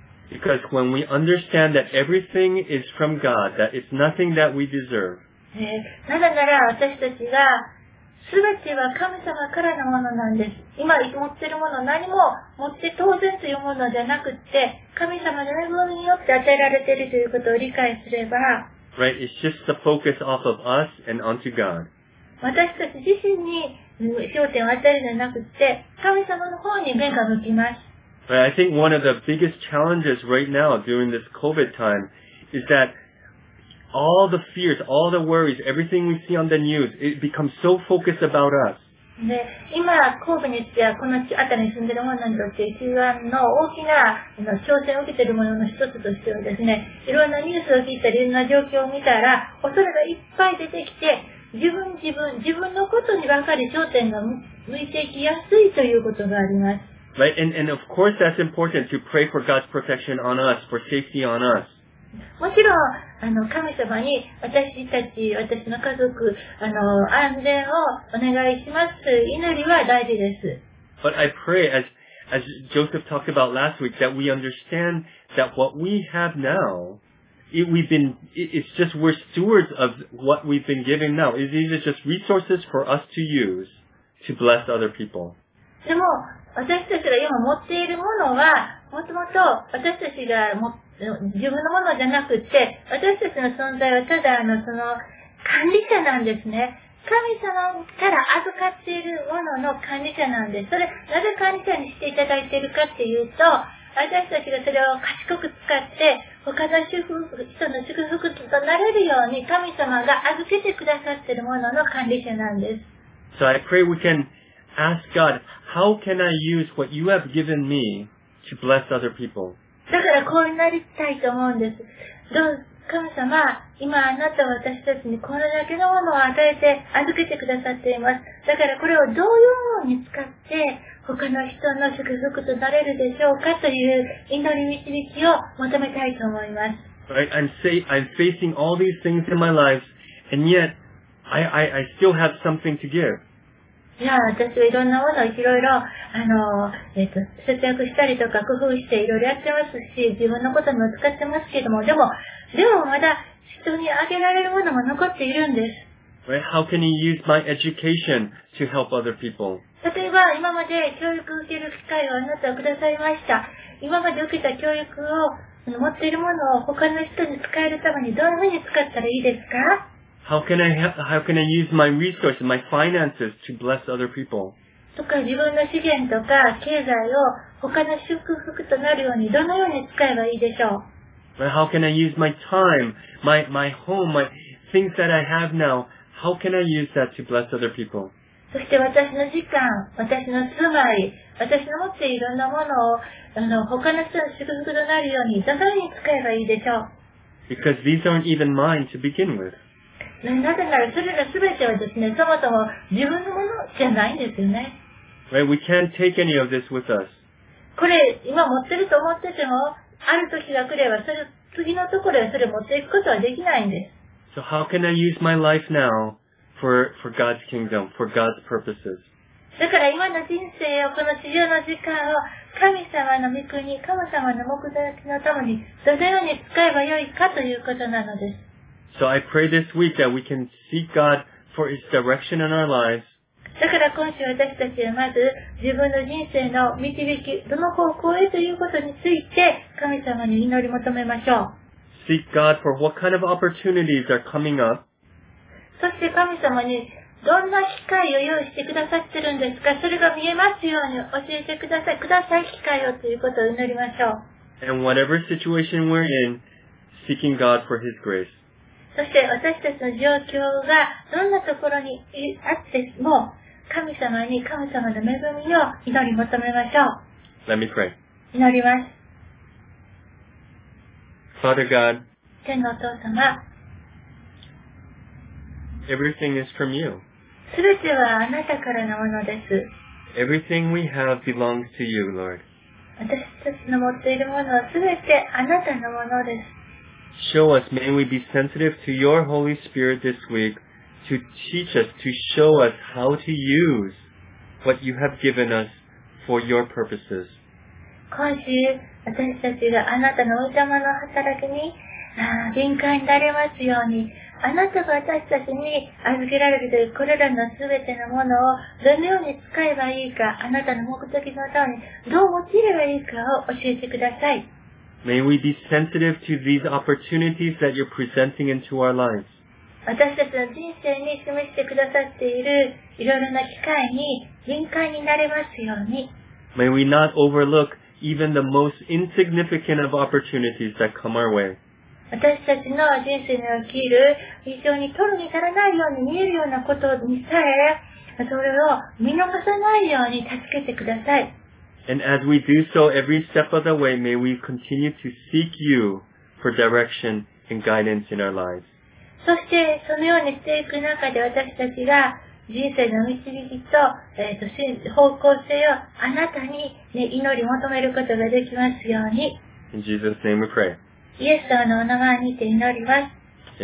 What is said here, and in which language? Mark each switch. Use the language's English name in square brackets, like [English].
[English] Because when we understand that everything is from God, that it's nothing that we deserve. [Japanese] なぜなら私たちが全ては神様からのものなんです。今持っているもの何も持って当然というものじゃなくて、神様の恵みによって与えられているということを理解すれば、 [English] Right, it's just the focus off of us and onto God. [Japanese] 私たち自身に焦点を与えるのではなくて、神様の方に目が向きます。 [English] Right, I think one of the biggest challenges right now during this COVID time is thatAll the fears, all the worries, everything we see on the news, it becomes so focused about us. [Japanese] で、今、神戸にしては、この辺りに住んでいる者にとって、一番の大きな挑戦を受けている者の一つとしてはですね、いろんなニュースを聞いたり、いろんな状況を見たら、恐れがいっぱい出てきて、自分のことにばかり焦点が向いていきやすいということがあります。 [English] Right, and of course that's important to pray for God's protection on us, for safety on us. [Japanese] もちろん、あの、神様に私たち、私の家族、あの、安全をお願いします。祈りは大事です。 [English] But I pray, as Joseph talked about last week, that we understand that what we have now, we're stewards of what we've been given now. These are just resources for us to use to bless other people. [Japanese] でも、私たちが今持っているものは、もともと私たちが自分のものじゃなくて、私たちの存在はただ、あの、その、管理者なんですね。神様から預かっているものの管理者なんです。それ、なぜ管理者にしていただいているかっていうと、私たちがそれを賢く使って、他の主婦、人の祝福となれるように、神様が預けてくださっているものの管理者なんです。 [English] So I pray we can ask God, how can I use what you have given me to bless other people? [Japanese] だからこうなりたいと思うんです。どう、神様、今あなたは私たちにこれだけのものを与えて、預けてくださっています。だからこれをどういうように使って、他の人の祝福となれるでしょうかという祈り導きを求めたいと思います。 [English] I'm facing all these things in my life, and yet, I still have something to give. [Japanese] いや、私はいろんなものをいろいろ、節約したりとか工夫していろいろやってますし、自分のことも使ってますけども、でもまだ人にあげられるものも残っているんです。 [English] How can you use my education to help other people? [Japanese] 例えば、今まで教育を受ける機会をあなたはくださいました。今まで受けた教育を持っているものを他の人に使えるためにどういうふうに使ったらいいですか? [English] How can I use my resources, my finances to bless other people? [Japanese] とか自分の資源とか経済を他の祝福となるようにどのように使えばいいでしょう? [English] But how can I use my time, my home, my things that I have now, how can I use that to bless other people? [Japanese] そして私の時間、私の住まい、私の持っているいろんなものをあの他の人の祝福となるようにどのように使えばいいでしょう? [English] Because these aren't even mine to begin with. [Japanese] なぜなら、それらすべてはですね、そもそも自分のものじゃないんですよね。 [English] Right, we can't take any of this with us. [Japanese] これ、今持ってると思ってても、ある時が来れば、それ、次のところへそれを持っていくことはできないんです。 [English] So how can I use my life now for God's kingdom, for God's purposes? [Japanese] だから今の人生を、この地上の時間を、神様の御国、神様の目的のために、どのように使えばよいかということなのです。 [English] So I pray this week that we can seek God for His direction in our lives. [Japanese] だから今週私たちはまず自分の人生の導き、どの方向へということについて神様に祈り求めましょう。 [English] Seek God for what kind of opportunities are coming up. [Japanese] そして神様にどんな機会を用意してくださってるんですか、それが見えますように教えてください、ください機会をということを祈りましょう。 [English] And whatever situation we're in, seeking God for His grace. [Japanese] そして私たちの状況がどんなところにあっても神様に神様の恵みを祈り求めましょう。 [English] Let me pray. [Japanese] 祈ります。 [English] Father God, [Japanese] 天のお父様、 [English] Everything is from you. [Japanese] すべてはあなたからのものです。 [English] Everything we have belongs to you, Lord. [Japanese] 私たちの持っているものはすべてあなたのものです。 [English] Show us, may we be sensitive to your Holy Spirit this week to teach us, to show us how to use what you have given us for your purposes. [Japanese] 今週、私たちがあなたの御霊の働きに、敏感になれますように、あなたが私たちに預けられているこれらのすべてのものをどのように使えばいいか、あなたの目的のためにどう用いればいいかを教えてください。 [English] May we be sensitive to these opportunities that you're presenting into our lives. [Japanese] 私たちの人生に示してくださっているいろいろな機会に敏感になれますように。 [English] May we not overlook even the most insignificant of opportunities that come our way. [Japanese] 私たちの人生に起きる非常に取るに足らないように見えるようなことにさえ、それを見逃さないように助けてください。 [English] And as we do so every step of the way, may we continue to seek you for direction and guidance in our lives. [Japanese] そしてそのようにしていく中で私たちが人生の導きと、方向性をあなたに、ね、祈り求めることができますように。イイエス様のお名前にて祈ります。